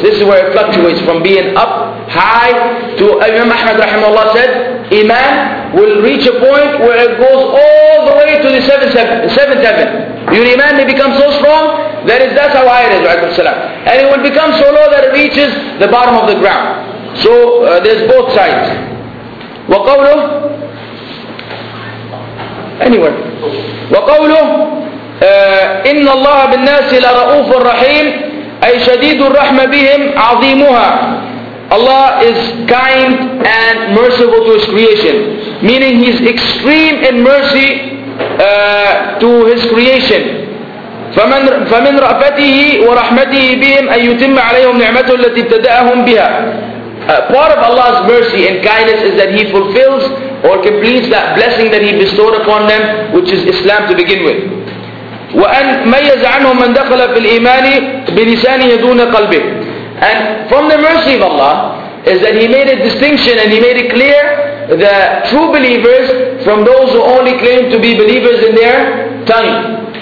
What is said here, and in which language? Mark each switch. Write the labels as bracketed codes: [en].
[en] This is where it fluctuates from being up high to Imam Ahmad rahimahullah said, iman will reach a point where it goes all the way to the seventh heaven. Your iman may become so strong that is that's how high it is, and it will become so low that it reaches the bottom of the ground. So there's both sides. وقوله anywhere. [ar] وقوله إن الله بالناس لرؤوف رحيم أي شديد الرحمة بهم عظيمها. [en] Allah is kind and merciful to His creation, meaning He's extreme in mercy to His creation. [ar] فمن رأفته ورحمته بهم أن يتم عليهم نعمته التي ابتدأهم بها. [en] Part of Allah's mercy and kindness is that He fulfills or completes that blessing that He bestowed upon them, which is Islam to begin with. [ar] وَأَنْ مَيَّزَ عَنْهُمْ مَنْ دَخَلَ فِي الْإِيمَانِ بِلِسَانِهِ دُونَ قَلْبِهِ. [en] And from the mercy of Allah is that He made a distinction and He made it clear the true believers from those who only claim to be believers in their tongue.